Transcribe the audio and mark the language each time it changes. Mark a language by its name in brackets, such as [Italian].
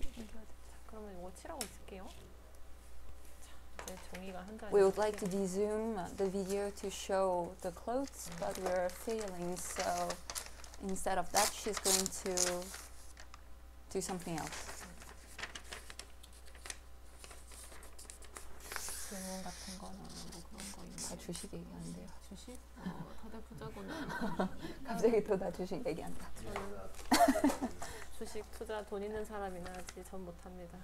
[Korean] 자 그러면 이거 칠하고 있을게요. [English] We would like to resume the video to show the clothes, but we are failing, so instead of that, she's going to do something else. [Korean] 질문 같은 거나 뭐 그런 거 있나요? 아, 주식 얘기하는데요. 주식? 다들 부자구나. 갑자기 또 나 주식 얘기한다. 주식 투자 돈 있는 사람이나 하지 전 못합니다.